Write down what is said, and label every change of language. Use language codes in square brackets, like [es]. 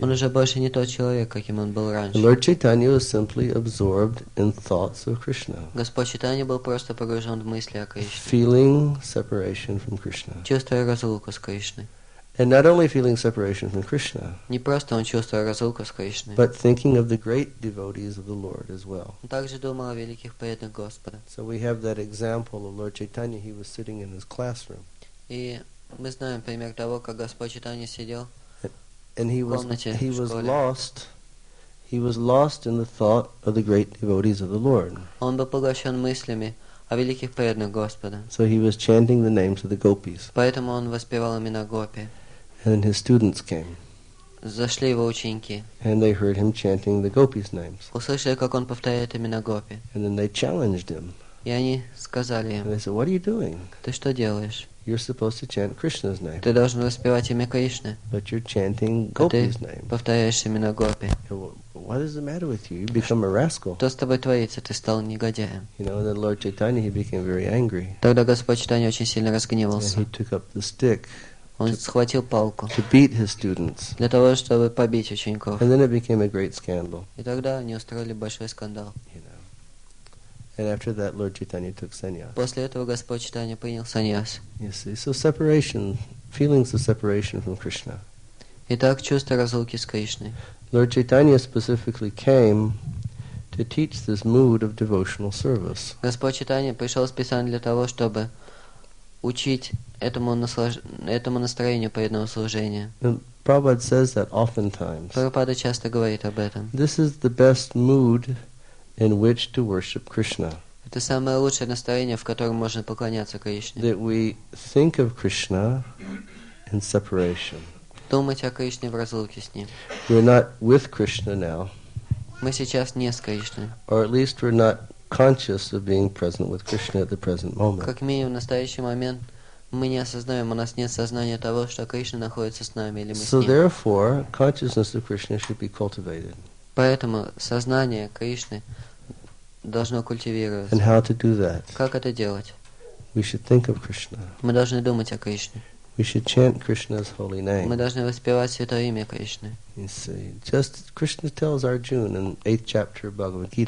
[ru] Он уже больше не тот человек, каким он был раньше. [en] Lord Chaitanya was simply absorbed in thoughts of Krishna. [ru] Господь Чайтанья был просто погружен в мысли о Кришне. [en] Feeling separation from Krishna. [ru] Чувствуя разлуку с Кришной. [en] And not only feeling separation from Krishna, [ru] не просто он чувствовал разлуку с Кришной, [en] but thinking of the great devotees of the Lord as well. [ru] Он также думал о великих преданных Господа. [en] So we have that example of Lord Chaitanya. He was sitting in his classroom. [ru] И мы знаем пример того, как Господь Чайтанья сидел в комнате. [en] And he was lost in the thought of the great devotees of the Lord. [ru] Он был поглощен мыслями о великих преданных Господа. [en] So he was chanting the names of the gopis. [ru] Поэтому он воспевал имена гопи. [en] And then his students came. [ru] Зашли его ученики. [en] And they heard him chanting the gopis' names. [ru] Услышали, как он повторяет имена гопи. [en] And then they challenged him. [ru] И они сказали ему. [en] And they said, "What are you doing? [ru] Ты что делаешь? [en] You're supposed to chant Krishna's name. [ru] Ты должен воспевать имя Кришны. [en] But you're chanting gopis' name. [ru] Ты повторяешь имена гопи. [en] What is the matter with you? You become a rascal. [ru] Что с тобой творится? Ты стал негодяем. [en] You know, then Lord Chaitanya, he became very angry. [ru] Тогда Господь Чайтанья очень сильно разгневался. [en] And he took up the stick. [ru] Он схватил палку. [en] To beat his students. [ru] Для того, чтобы побить учеников. [en] And then it became a great scandal. [ru] И тогда они устроили большой скандал. [en] And after that, Lord Chaitanya took sannyas. [ru] После этого Господь Чайтанья принял саньяс. [en] You see, so separation, feelings of separation from Krishna. [ru] Итак, чувство разлуки с Кришной. [en] Lord Chaitanya specifically came to teach this mood of devotional service. [ru] Господь Чайтанья пришел специально для того, чтобы учить этому настроению преданного служения. [en] Prabhupada says that oftentimes. [ru] Прабхупада часто говорит об этом. [en] This is the best mood in which to worship Krishna. [ru] Это самое лучшее настроение, в котором можно поклоняться Кришне. [en] That we think of Krishna in separation. [ru] Думать о Кришне в разлуке с ним. [en] We're not with Krishna now. [ru] Мы сейчас не с Кришной. [en] Or at least we're not conscious of being present with Krishna at the present moment. [ru] Как минимум в настоящий момент мы не осознаем, у нас нет сознания того, что Кришна находится с нами или мы с ним. [en] So therefore, consciousness of Krishna should be cultivated. [ru] Поэтому сознание Кришны должно культивироваться. [en] And how to do that? [ru] Как это делать? [en] We should think of Krishna. [ru] Мы должны думать о Кришне. [en] We should chant Krishna's holy name. [ru] Мы должны воспевать святое имя Кришны. [en] You see, just Krishna tells Arjuna in eighth chapter of Bhagavad Gita.